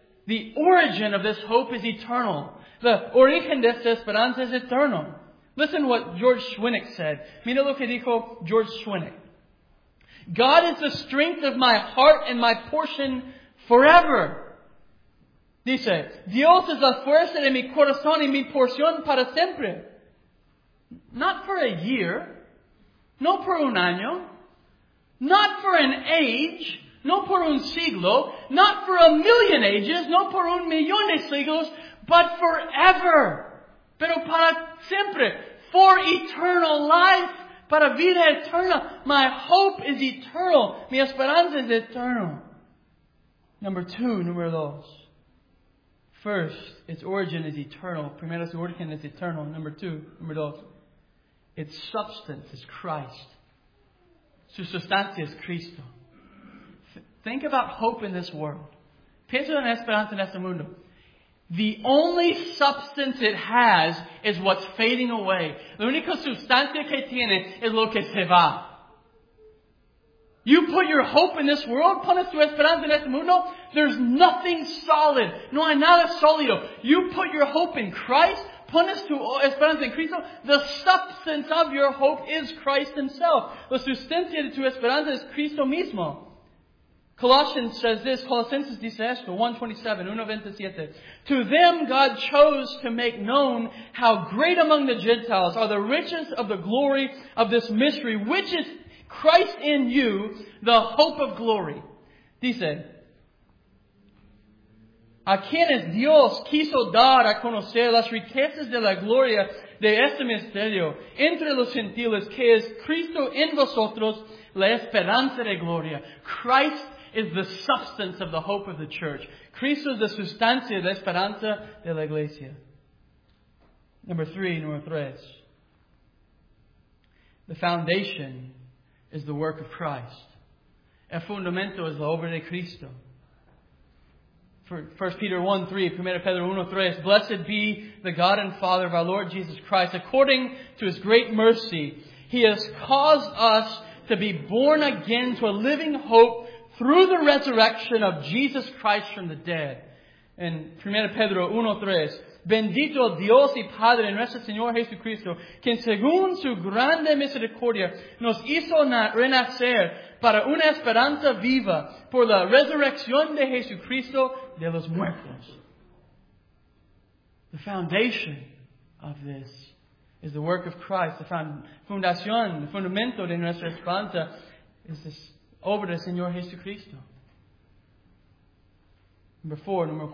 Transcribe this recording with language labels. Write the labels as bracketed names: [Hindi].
[English] The origin of this hope is eternal. The [Spanish] origen de esta esperanza es eterno. [English] Listen to what George Schwinnick said. [Spanish] Mira lo que dijo George Schwinnick. [English] God is the strength of my heart and my portion forever. [Spanish] Dice, Dios es la fuerza de mi corazón y mi porción para siempre. [English] Not for a year. [Spanish] No por un año. [English] Not for an age. [Spanish] No por un siglo. [English] Not for a million ages. [Spanish] No por un millón de siglos. [English] But forever. [Spanish] Pero para siempre. [English] For eternal life. [Spanish] Para vida eterna. [English] My hope is eternal. [Spanish] Mi esperanza es eternal. [English] Number two, [Spanish] número dos. [English] First, its origin is eternal. [Spanish] Primero, su origen es eternal. Number two, número dos. [English] Its substance is Christ. [Spanish] Su sustancia es Cristo. [English] Think about hope in this world. [Spanish] Piensa en esperanza en este mundo. [English] The only substance it has is what's fading away. [Spanish] La única sustancia que tiene es lo que se va. [English] You put your hope in this world, [Spanish] pones tu esperanza en este mundo, [English] there's nothing solid. [Spanish] No hay nada sólido. [English] You put your hope in Christ, [Spanish] pones tu esperanza en Cristo, [English] the substance of your hope is Christ Himself. [Spanish] La sustancia de tu esperanza es Cristo mismo. [English] Colossians says this, [Spanish] Colossenses dice esto, [English] 1:27, 1:27. To them God chose to make known how great among the Gentiles are the riches of the glory of this mystery, which is Christ in you, the hope of glory. [Spanish] Dice, a quienes Dios quiso dar a conocer las riquezas de la gloria de este misterio entre los gentiles, que es Cristo en vosotros, la esperanza de gloria. [English] Christ is the substance of the hope of the church. [Spanish] Cristo es la sustancia de la esperanza de la iglesia. [English] Number three. The foundation is the work of Christ. [Spanish] El fundamento es la obra de Cristo. [English] 1 Peter 1:3, 1 Pedro 1:3. Blessed be the God and Father of our Lord Jesus Christ. According to His great mercy, He has caused us to be born again to a living hope through the resurrection of Jesus Christ from the dead. [Spanish] In 1 Pedro 1:3, bendito Dios y Padre en nuestro Señor Jesucristo, quien según su grande misericordia nos hizo renacer para una esperanza viva por la resurrección de Jesucristo de los muertos. [English] The foundation of this is the work of Christ. [Spanish] The fundación, the fundamento de nuestra esperanza is this obra del Señor Jesucristo. [English] Number four.